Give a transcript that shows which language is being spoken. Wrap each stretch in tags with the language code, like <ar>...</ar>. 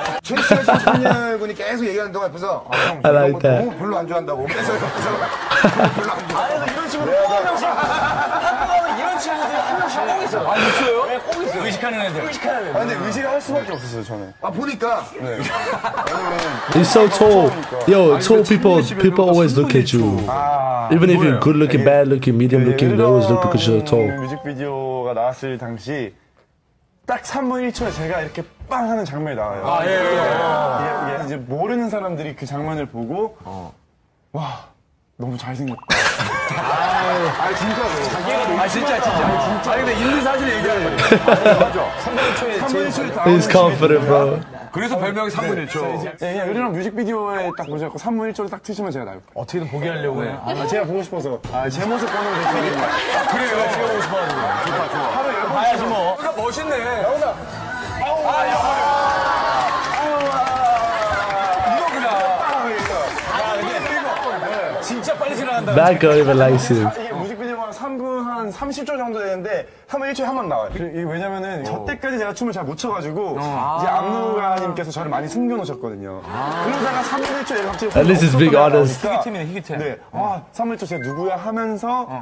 <ko>최신 분이 계속 얘기하는 동안 옆에서 아, 형, 이런 거 너무 별로 안 좋아한다고. 계속 옆에서 별로 안 좋아. 아니 이런 식으로 뽑아 꼭 있어. 아 있어요? 네, 꼭 있어. 의식하는 애들. 의식하는 애들. 아 근데 의식을 할 수밖에 없었어요 저는. 아 보니까. 네.</ko> <en>It's so tall. Yo, tall people always look at you.</en> <ko>아,</ko> <en>Even if you're good looking,</en> <ko>뭐예요?</ko> <en>bad looking, medium</en> <ko>네,</ko> <en>looking, they always look because you're tall.</en> <ko>뮤직비디오가 나왔을 당시 딱 3분 1초에 제가 이렇게 빵 하는 장면이 나와요. 아 예. 예, 예. 예, 예. 이제 모르는 사람들이 그 장면을 보고 와. 너무 잘생겼다. 아 진짜로. 진짜. 아니 근데 있는 사실을 얘기하는 거예요. 맞아. 3분 1초에</ko> <en>He's confident, bro.</en> <ko>그래서 별명이 3분 1초. 예, 그냥 요즘 뮤직비디오에 딱 보셨고 3분 1초를 딱 트시면 제가 나올 거예요. 어떻게든 보게 하려고 해. 아, 제가 보고 싶어서. 아, 제 모습 보는 게 되게 그래요. 제가 보고 싶어서. 좋다, 좋아. 하루 10번 봐야지 뭐. 아, 멋있네. 나온다. 아우, 아우.</ko> <en>That girl even likes you.</en> <ko>이게 뮤직비디오가 3분 한 30초 정도 되는데 3분 1초에 한 번 나와요. 이게 왜냐면은 저 때까지 제가 춤을 잘 못 춰가지고 이제 안무가님께서 저를 많이 숨겨놓으셨거든요. 그러다가 3분 1초에 갑자기</ko> <en>At least it's big artist.</en> <ko>희귀템이네, 희귀템. 네. 아, 3분 1초 제가 누구야 하면서</ko>